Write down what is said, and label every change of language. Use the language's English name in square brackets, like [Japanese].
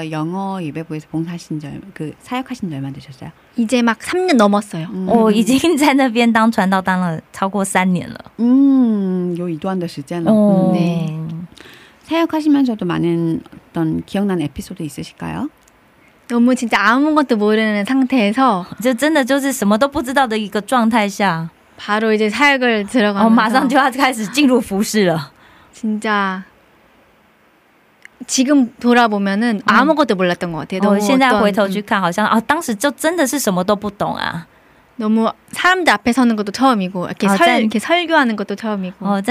[Korean] 영어 예배부에서 봉사하신 점, 그 사역하신 점 얼마나 되셨어요? 이제 막 3년 넘었어요. [Chinese] 已经在那边当传道当了超过三年了。嗯，有一段的时间了。 [Korean] 네. 사역하시면서도 많은 어떤 기억나는 에피소드 있으실까요? 너무 진짜 아무것도 모르는 상태에서 [Chinese] 就真的就是什么都不知道的一个状态下 [Korean] 바로 이제 사역을 들어가면서 [Chinese] 马上就要开始进入服侍了 [Korean] 진짜 지금 돌아보면은 아무것도 몰랐던 것 같아요 [Chinese] 现在回头去看好像当时就真的是什么都不懂啊 [Korean] 너무 사람들 앞에 서는 것도 처음이고 이렇게, 이렇게 설교하는 것도 처음이고